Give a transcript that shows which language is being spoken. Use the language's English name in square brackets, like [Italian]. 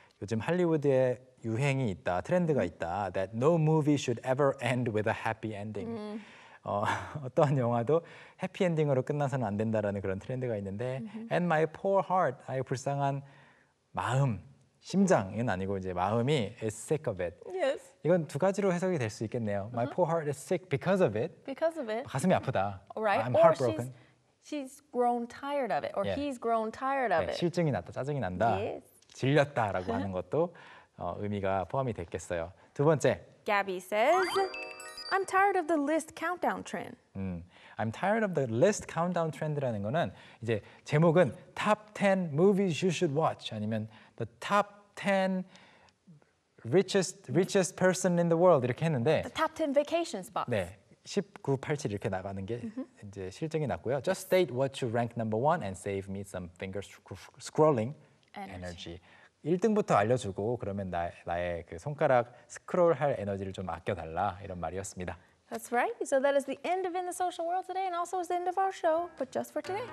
[Korean] 요즘 할리우드에 유행이 있다, 트렌드가 있다. [English] That no movie should ever end with a happy ending. [Korean] 어떤 영화도 해피 엔딩으로 끝나서는 안 된다라는 그런 트렌드가 있는데, [English] and my poor heart, [Korean] 아이 불쌍한 마음, 심장은 아니고 이제 마음이 [English] is sick of it. Yes. [Korean] 이건 두 가지로 해석이 될 수 있겠네요. [English] My poor heart is sick because of it. Because of it. [Korean] 가슴이 아프다. [English] Right. I'm heartbroken. She's grown tired of it, or he's grown tired of it. [Korean] 실증이 났다, 짜증이 난다. [English] Yes. [Korean] 질렸다라고 하는 것도. 의미가 포함이 됐겠어요. 두 번째. [English] Gabby says, I'm tired of the list countdown trend. I'm tired of the list countdown trend [Korean] 라는 거는 이제 제목은 [English] top 10 movies you should watch 아니면 the top 10 richest person in the world [Korean] 이렇게 했는데 [English] the top 10 vacation spots. [Korean] 네. 19, 87 이렇게 나가는 게 이제 실증이 났고요. [English] Just state what you rank number one and save me some finger scrolling energy. [Korean] 1등부터 알려주고 그러면 나의 그 손가락 스크롤할 에너지를 좀 아껴달라 이런 말이었습니다. [English] That's right. So that is the end of In the Social World today and also is the end of our show, but just for today.